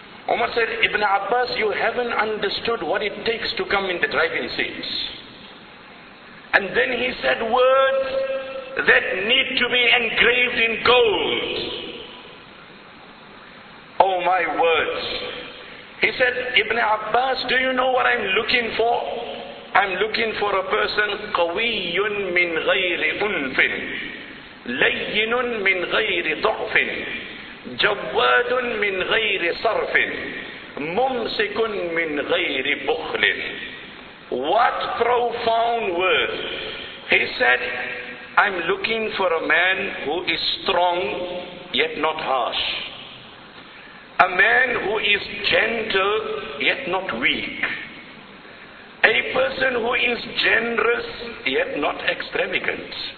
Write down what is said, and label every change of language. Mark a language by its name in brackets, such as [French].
[English] Umar said, Ibn Abbas, you haven't understood what it takes to come in the driving seats. And then he said words that need to be engraved in gold. Oh my words. He said, Ibn Abbas, do you know what I'm looking for? I'm looking for a person, [Arabic] قَوِيٌّ مِنْ غَيْرِ أُنْفٍ لَيِّنٌ مِنْ غَيْرِ ضَعْفٍ جَوَّادٌ مِنْ غَيْرِ صَرْفٍ مُمْسِكٌ مِنْ غَيْرِ بُخْلٍ. [English] What profound words. He said, I'm looking for a man who is strong yet not harsh. A man who is gentle yet not weak. A person who is generous yet not extravagant.